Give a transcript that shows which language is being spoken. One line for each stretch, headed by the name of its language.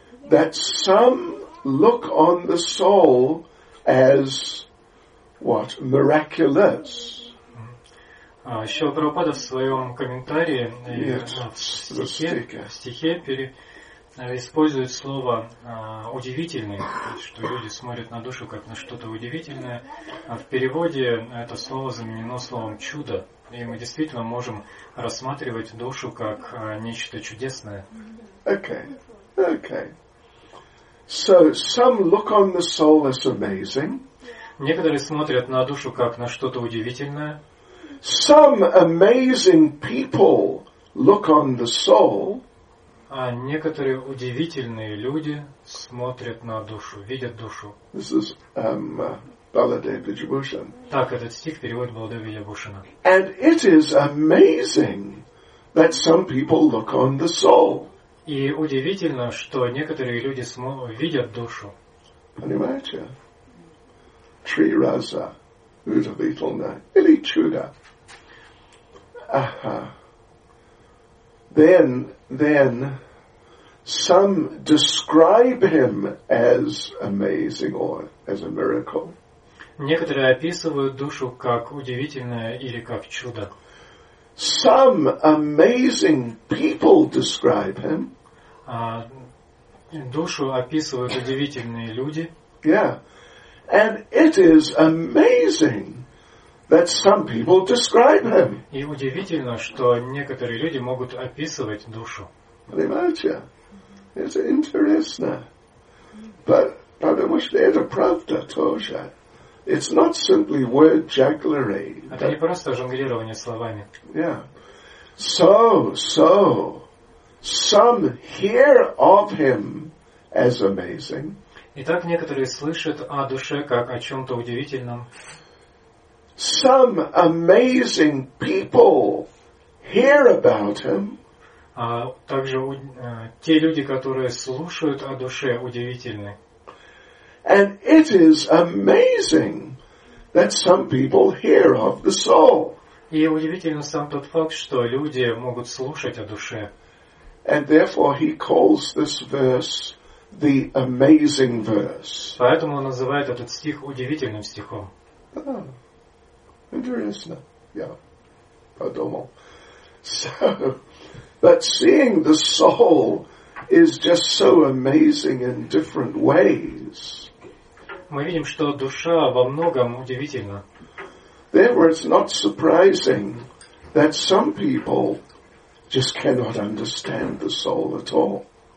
English: That some look on the soul as what? Miraculous.
Russian: Еще Прабхупада в своем комментарии в стихе использует слово «удивительный», то есть, что люди смотрят на душу как на что-то удивительное, а в переводе это слово заменено словом «чудо», и мы действительно можем рассматривать душу как нечто чудесное.
English: Okay. So, some look on the soul as amazing.
Russian: Некоторые смотрят на душу как на что-то удивительное.
English: Some amazing people look on the soul.
Russian: А некоторые удивительные люди смотрят на душу, видят душу.
English: This is Baladev Vidyabhushan.
Russian: Так этот стих перевод Баладев Видьябхушана.
English: And it is amazing that some people look on the soul.
Russian: И удивительно, что некоторые люди видят душу. Понимаете? Три раза удивительно или чудо.
English: Then some describe him as amazing or as a miracle.
Russian: Некоторые описывают душу как удивительное или как чудо.
English: Some amazing people describe him.
Russian: Душу описывают удивительные люди.
English: Yeah. And it is amazing that some people describe him.
Russian: И удивительно, что некоторые люди могут описывать душу. Понимаете? Это интересно. Потому что это правда тоже.
English: It's not simply word jugglery.
Russian: Это не просто жонглирование словами.
English: Yeah. So, some hear of him as amazing.
Russian: Итак, некоторые слышат о душе как о чем-то удивительном.
English: Some amazing people hear about him.
Russian: Также те люди, которые слушают о душе, удивительны.
English: And it is amazing that some people hear of the soul.
Russian: И удивительно сам тот факт, что люди могут слушать о душе.
English: And therefore he calls this verse the amazing verse.
Russian: Поэтому он называет этот стих удивительным стихом. Интересно. Я подумал.
English: But seeing the soul is just so amazing in different ways.
Russian: Мы видим, что душа во многом удивительна.
English: Therefore, it's not surprising that some people just cannot understand the soul at all.